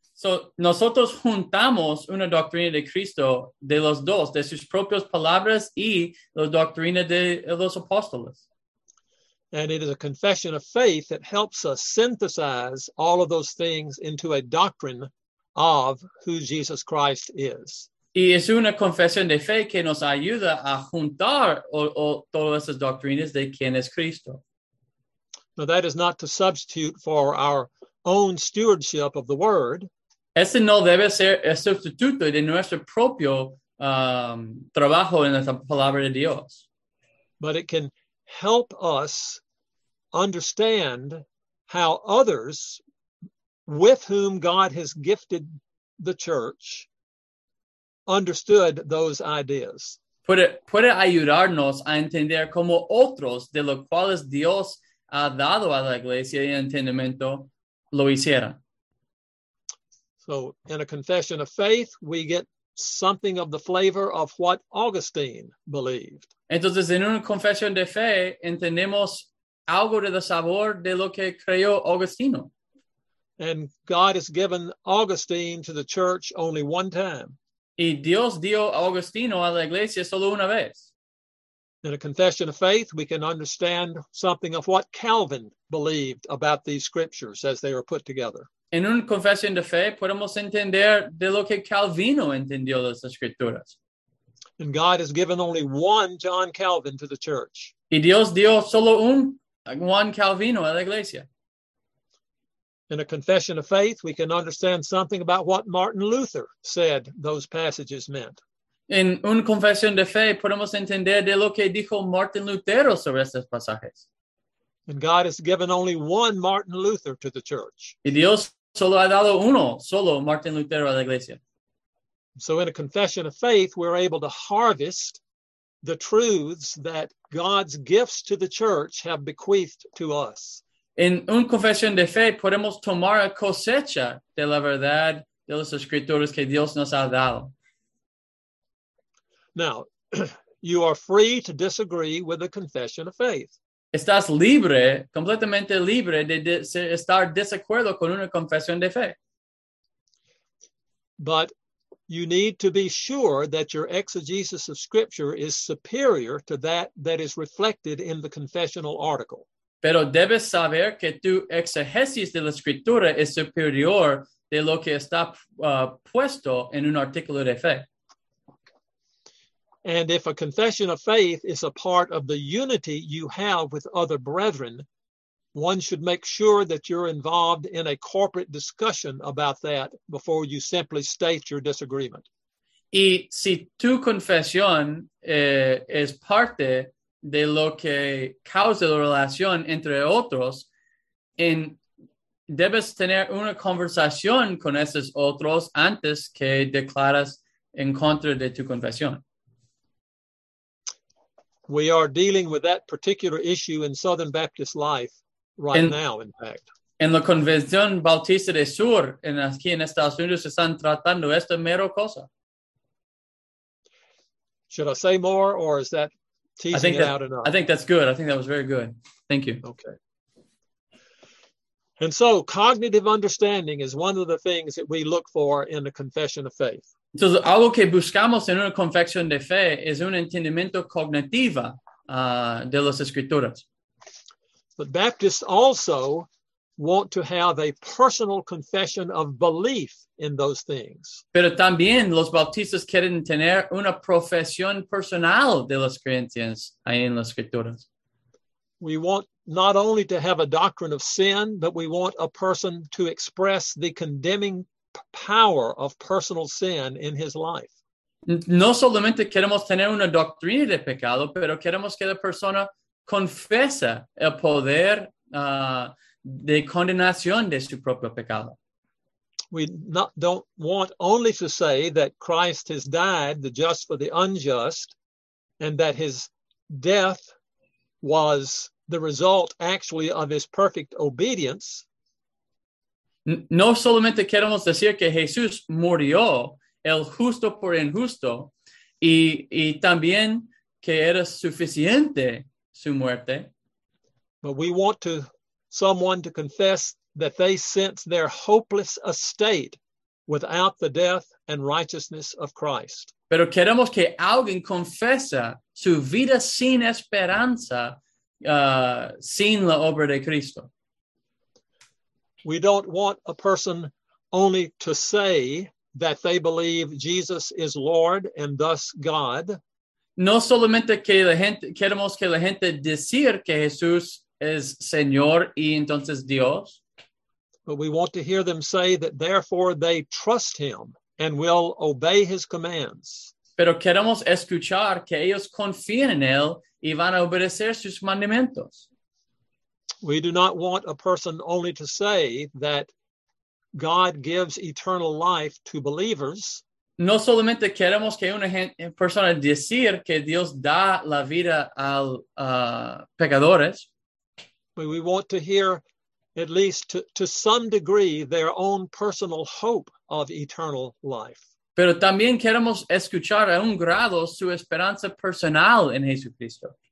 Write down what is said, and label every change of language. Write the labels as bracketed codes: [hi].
[es] So nosotros juntamos una doctrina de Cristo de los dos, de sus propias palabras y la doctrina de los apóstoles. [en] And it is a confession of faith that helps us synthesize all of those things into a doctrine of who Jesus Christ is. [es] Y es una confesión de fe que nos ayuda a juntar todas esas doctrinas de quién es Cristo. [en] Now that is not to substitute for our own stewardship of the word. [es] Ese no debe ser el sustituto de nuestro propio trabajo en la palabra de Dios. [en] But it can help us understand how others with whom God has gifted the church understood those ideas. [es] Puede ayudarnos a entender cómo otros de los cuales Dios ha dado a la iglesia y entendimiento lo hicieron. [en] So in a confession of faith, we get something of the flavor of what Augustine believed. [es] Entonces en una confesión de fe entendemos algo de el sabor de lo que creyó Augustino. [en] And God has given Augustine to the church only one time. [es] Y Dios dio a Augustino a la iglesia solo una vez. [en] In a confession of faith, we can understand something of what Calvin believed about these scriptures as they were put together. [es] En una confesión de fe, podemos entender de lo que Calvino entendió de las escrituras. [en] And God has given only one John Calvin to the church. [es] Y Dios dio solo un Juan Calvino a la iglesia. [en] In a confession of faith, we can understand something about what Martin Luther said those passages meant. [es] En una confesión de fe, podemos entender de lo que dijo Martin Lutero sobre estos pasajes. [en] And God has given only one Martin Luther to the church. [es] Y Dios solo ha dado uno, solo Martin Lutero a la iglesia. [en] So in a confession of faith, we're able to harvest the truths that God's gifts to the church have bequeathed to us. [es] En una confesión de fe, podemos tomar cosecha de la verdad de las escrituras que Dios nos ha dado. [en] Now, you are free to disagree with the confession of faith. [es] Estás libre, completamente libre, de estar desacuerdo con una confesión de fe. [en] But you need to be sure that your exegesis of Scripture is superior to that is reflected in the confessional article. [es] Pero debes saber que tu exegesis de la Escritura es superior de lo que está puesto en un artículo de fe. [en] And if a confession of faith is a part of the unity you have with other brethren, one should make sure that you're involved in a corporate discussion about that before you simply state your disagreement. [es] Y si tu confesión es parte de lo que causa la relación entre otros, debes tener una conversación con esos otros antes que declaras en contra de tu confesión. [en] We are dealing with that particular issue in Southern Baptist life now, in fact. [es] En la Convención Bautista del Sur, aquí en Estados Unidos, se están tratando esta mera cosa. [en] Should I say more, or is that teasing it out enough? I think that's good. I think that was very good. Thank you. Okay. And so, cognitive understanding is one of the things that we look for in the confession of faith. [es] Entonces, algo que buscamos en una confesión de fe es un entendimiento cognitivo de las escrituras. [en] But Baptists also want to have a personal confession of belief in those things. [es] Pero también los bautistas quieren tener una profesión personal de las creencias ahí en las escrituras. [en] We want not only to have a doctrine of sin, but we want a person to express the condemning power of personal sin in his life. [es] No solamente queremos tener una doctrina de pecado, pero queremos que la persona confiese el poder de condenación de su propio pecado. [en] We don't want only to say that Christ has died, the just for the unjust, and that his death was the result actually of his perfect obedience. [es] No solamente queremos decir que Jesús murió el justo por injusto y también que era suficiente su muerte. [en] But we want someone to confess that they sense their hopeless estate without the death and righteousness of Christ. [es] Pero queremos que alguien confiese su vida sin esperanza, sin la obra de Cristo. [en] We don't want a person only to say that they believe Jesus is Lord and thus God. [es] No solamente que la gente, queremos que la gente decir que Jesús es Señor y entonces Dios. [en] But we want to hear them say that therefore they trust him and will obey his commands. [es] Pero queremos escuchar que ellos confían en él y van a obedecer sus mandamientos. [en] We do not want a person only to say that God gives eternal life to believers. [es] No solamente queremos que una persona decir que Dios da la vida al pecadores. [en] But we want to hear, at least to some degree, their own personal hope of eternal life. [es] Pero también queremos escuchar a un grado su esperanza personal en Jesucristo.